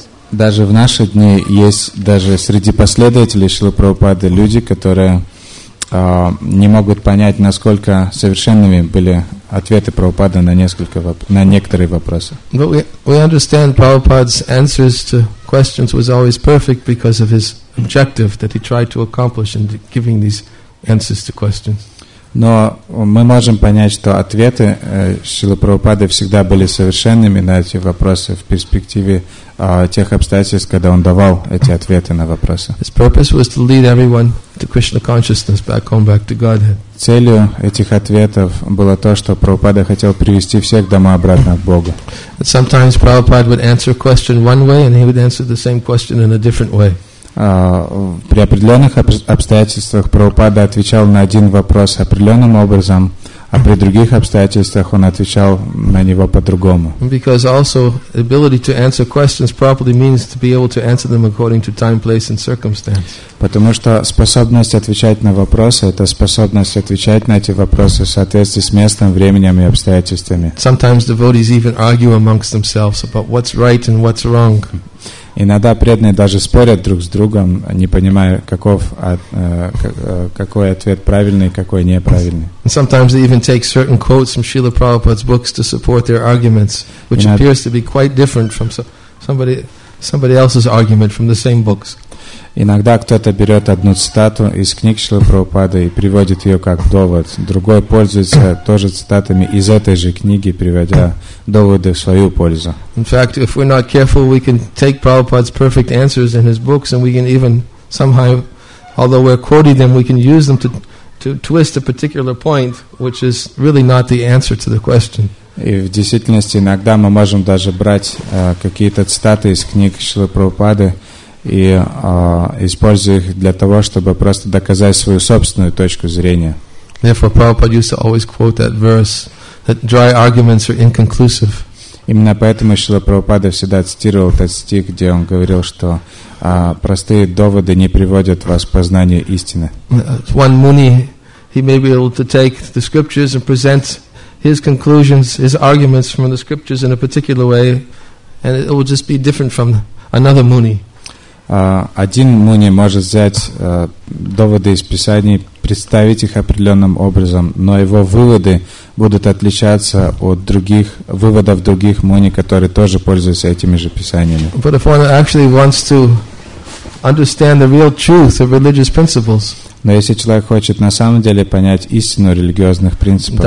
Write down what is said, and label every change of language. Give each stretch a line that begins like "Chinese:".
Russian: Даже в наши дни есть даже среди последователей Шрилы Прабхупады люди, которые не могут понять, насколько совершенными были ответы Прабхупады на некоторые вопросы.
English: But we understand Prabhupada's answers to questions was always perfect because of his objective that he tried to accomplish in giving these answers to questions.
Russian: Но мы можем понять, что ответы Шрилы Прабхупады всегда были совершенными на эти вопросы в перспективе тех обстоятельств, когда он давал эти ответы на вопросы.
English: His purpose was to lead everyone to Krishna consciousness, back home, back to Godhead.
Russian: Целью этих ответов было то, что Прабхупада хотел привести всех домой обратно к Богу.
English: And sometimes Prabhupada would answer question one way, and he would answer the same question in a different way.
Russian: При определенных обстоятельствах Прабхупада отвечал на один вопрос определенным образом, а при других обстоятельствах он отвечал на него по-другому.
English: Because also the ability to answer questions properly means to be able to answer them according to time, place and circumstance.
Russian: Потому что способность отвечать на вопросы — это способность отвечать на эти вопросы в соответствии с местом, временем и обстоятельствами.
English: Sometimes devotees even argue amongst themselves about what's right and what's wrong.
Russian: Иногда преданные даже спорят друг с другом, не понимая, какой ответ правильный, какой неправильный.
English: And sometimes they even take certain quotes from Srila Prabhupada's books to support their arguments, which appears to be quite different from somebody else's argument from the same books.
Russian: Иногда кто-то берет одну цитату из книг Шрилы Прабхупады и приводит ее как довод. Другой пользуется тоже цитатами из этой же книги, приводя доводы в свою пользу.
English: In fact, if we're not careful, we can take Prabhupada's perfect answers in his books, and we can even somehow, although we're quoting them, we can use them to twist a particular point, which is really not the answer to the question.
Russian: И в действительности иногда мы можем даже брать какие-то цитаты из книг Шрилы Прабхупады и используя их для того, чтобы просто доказать свою собственную точку зрения.
English: Therefore, Prabhupada used to always quote that verse that dry arguments are inconclusive.
Russian: Именно поэтому Шрила Прабхупада всегда цитировал этот стих, где он говорил, что простые доводы не приводят вас к познанию истины.
English: One muni, he may be able to take the scriptures and present his conclusions, his arguments from the scriptures in a particular way, and it will just be different from another muni.
Russian: Один муни может взять доводы из Писаний, представить их определенным образом, но его выводы будут отличаться от других выводов других муни, которые тоже пользуются этими же Писаниями.
English: But if one actually wants to understand the real truth of religious principles,
Russian: но если человек хочет на самом деле понять истину религиозных принципов,